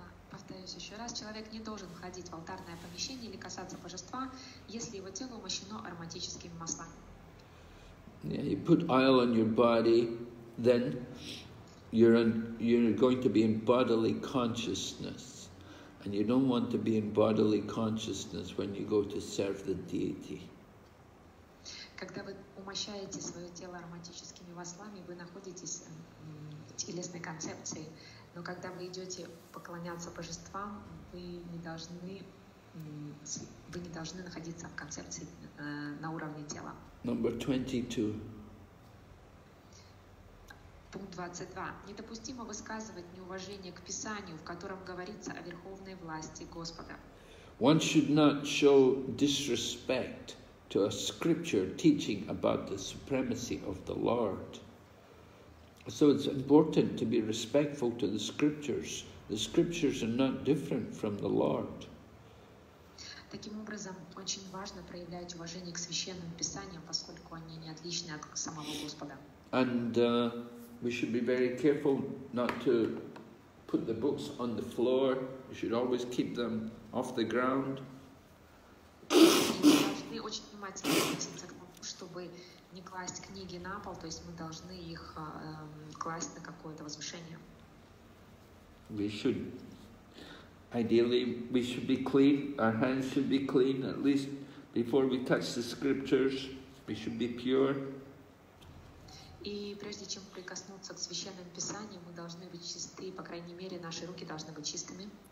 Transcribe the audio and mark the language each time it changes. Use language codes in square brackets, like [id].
[ru] Повторюсь еще раз, человек не должен входить в алтарное помещение или касаться божества, если его тело умощено ароматическими маслами. [en] Yeah, you put oil on your body, then you're going to be in bodily consciousness, and you don't want to be in bodily consciousness when you go to serve the deity. [ru] Когда вы умощаете свое тело ароматическими маслами, вы находитесь в телесной концепции. Но когда вы идете поклоняться божествам, вы не должны находиться в концепции на уровне тела. [en] Number 22. [ru] Пункт 22. Недопустимо высказывать неуважение к Писанию, в котором говорится о верховной власти Господа. [en] One should not show disrespect to a scripture teaching about the supremacy of the Lord. So it's important to be respectful to the scriptures. The scriptures are not different from the Lord. [ru] Таким образом, очень важно проявлять уважение к священным писаниям, поскольку они не отличны от самого Господа. [en] And we should be very careful not to put the books on the floor. We should always keep them off the ground. [ru] Мы очень внимательно относимся к тому, чтобы не класть книги на пол, то есть мы должны их класть на какое-то возвышение. [en] We should, ideally, we should be clean, our hands should be clean, at least before we touch the scriptures, we should be pure. [ru] И прежде чем прикоснуться к священным писаниям, мы должны быть чисты, по крайней мере, наши руки должны быть чистыми.